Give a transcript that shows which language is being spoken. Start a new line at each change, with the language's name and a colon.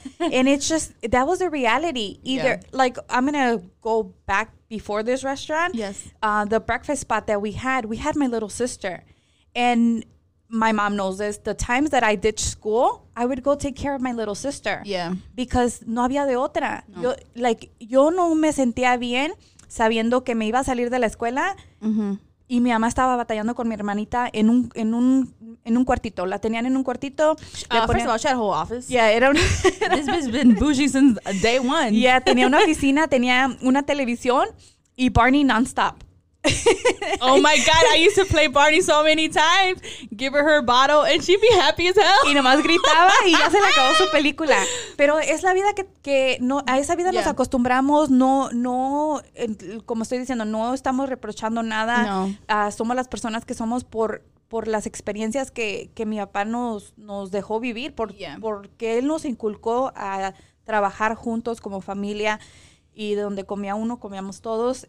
English: And it's just, that was a reality. Either, yeah. like, I'm going to go back before this restaurant. Yes. The breakfast spot that we had my little sister. And my mom knows this. The times that I ditched school, I would go take care of my little sister. Yeah.
Spanish: Because no había de otra. No. Yo, like, yo no me sentía bien. Sabiendo que me iba a salir de la escuela y mi mamá estaba batallando con mi hermanita en un cuartito. La tenían en un cuartito.
English: First of all, she had a whole office.
Spanish: Yeah, era una...
English: This bitch has been bougie since day one.
Spanish: Yeah, tenía una oficina, tenía una televisión y Barney nonstop.
English: Oh my God, I used to play Barney so many times. Give her her bottle and she'd be happy as hell.
Spanish: Y nomás gritaba y ya se le acabó su película. Pero es la vida que no, a esa vida yeah. nos acostumbramos. No, como estoy diciendo, no estamos reprochando nada. No. Somos las personas que somos por las experiencias que mi papá nos dejó vivir, porque él nos inculcó a trabajar juntos como familia y donde comía uno, comíamos todos.